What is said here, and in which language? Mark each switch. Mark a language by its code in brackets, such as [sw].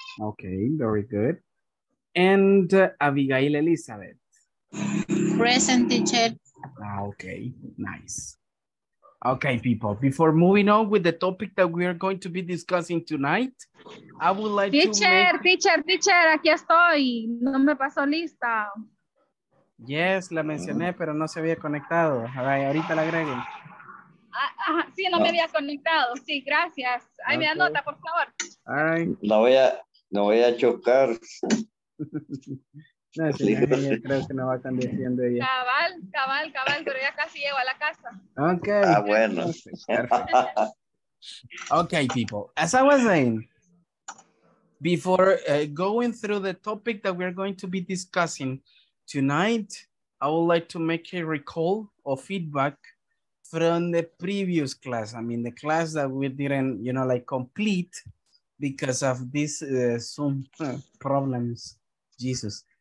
[en] Okay, very good. And Abigail Elizabeth. Present, teacher. Okay, nice. Okay, people, before moving on with the topic that we are going to be discussing tonight, I would like [es] teacher, aquí estoy. No me pasó lista. Yes, la mencioné, pero no se había conectado. [en] All right, [es] ahorita la agregué. Sí, no me había conectado. Sí, gracias. Ay, okay. Me anota, por favor. [en] All right. [es] No voy a chocar. No, señora, creo que no va conduciendo ella. Cabal, pero ya casi llego a la casa. [en] Okay. [es] Ah, bueno. [en] Okay, people. As I was saying, before going through the topic that we're going to be discussing tonight, I would like to make a recall or feedback from the previous class. I mean, the class that we didn't, you know, like complete because of this Zoom problems. Jesus.